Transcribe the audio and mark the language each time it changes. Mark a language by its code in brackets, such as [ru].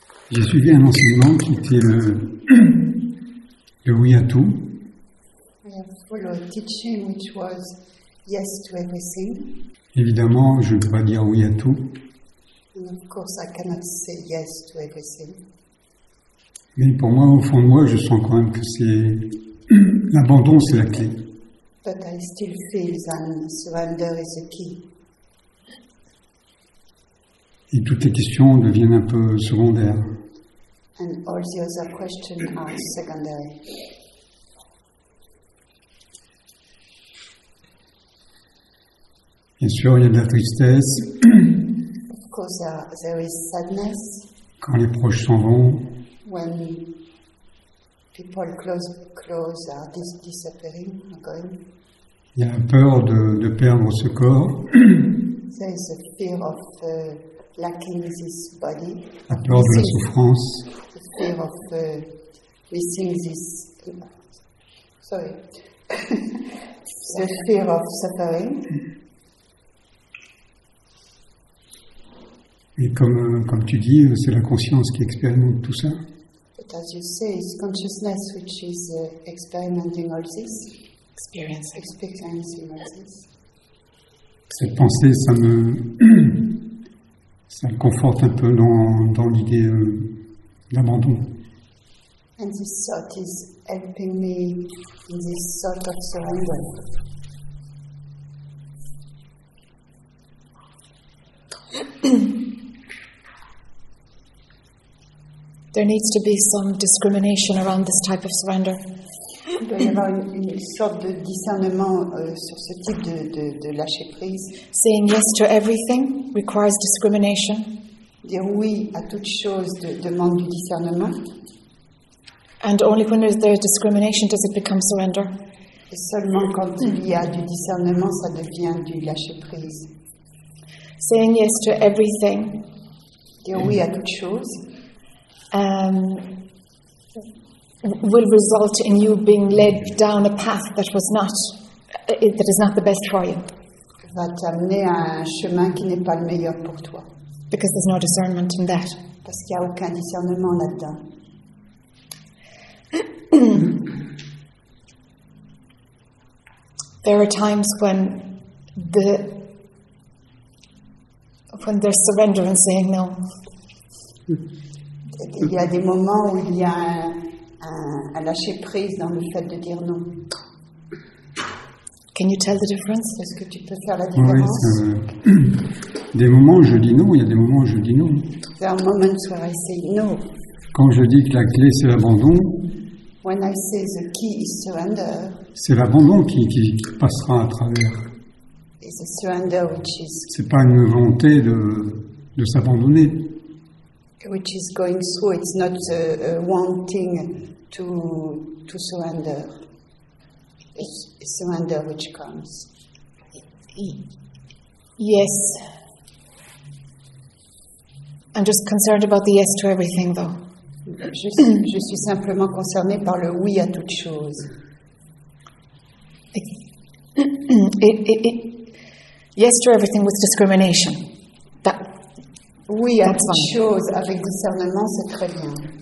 [fr] J'ai suivi un enseignement qui était le oui à tout. [en] I followed a teaching which was yes to everything. [fr] Évidemment, je ne peux pas dire oui à tout. [en] And of course, I cannot say yes to everything. [fr] Mais pour moi, au fond de moi, je sens quand même que c'est l'abandon, c'est la clé. [en] But I still feel that surrender is the key. [fr] Et toutes les questions deviennent un peu secondaires. [en] And all the other questions are secondary. [fr] Bien sûr, il y a de la tristesse. [en] Of course, there is sadness. [fr] Quand les proches s'en vont. [en] When people close are disappearing, are going. [fr] Il y a la peur de perdre ce corps. [en] There is a fear of lacking this body. [fr] La peur de la souffrance. [en] The fear of missing this. Sorry. The fear of suffering. [fr] Et comme tu dis, c'est la conscience qui expérimente tout ça. [en] But as you say, it's consciousness which is experimenting all this. Experiencing all this. [fr] Cette pensée, ça me. Ça me conforte un peu dans l'idée d'abandon. [en] And this thought is helping me in this thought of surrender. There needs to be some discrimination around this type of surrender. [fr] Il doit y avoir une sorte de discernement sur ce type de lâcher prise. [en] Saying yes to everything requires discrimination. [fr] Dire oui à toute chose demande du discernement. [en] And only when there is discrimination does it become surrender. [fr] Et seulement quand il y a du discernement, ça devient du lâcher prise. [en] Saying yes to everything. [fr] Dire oui à toute chose. [en] Will result in you being led down a path that is not the best for you. [fr] Va t'amener à un chemin qui n'est pas le meilleur pour toi. [en] Because there's no discernment in that. [fr] Parce qu'il y a aucun discernement là-dedans. [en] There are times when there's surrender and saying no. [fr] Il y a des moments où il y a un lâcher prise dans le fait de dire non. [en] Can you tell the difference? [fr] Est-ce que tu peux faire la différence? Oui, des moments où je dis non, il y a des moments où je dis non. [en] There are moments where I say no. [fr] Quand je dis que la clé c'est l'abandon, [en] when I say the key is surrender, [fr] c'est l'abandon qui passera à travers. [en] It's a surrender which is. [fr] C'est pas une volonté de s'abandonner. [en] Which is going through, it's not wanting to surrender. It's surrender which comes. Yes. I'm just concerned about the yes to everything, though. [fr] Je suis simplement concernée par le oui à toute chose. [en] Yes to everything with discrimination. [fr] Oui, à toute chose, avec discernement, c'est très bien.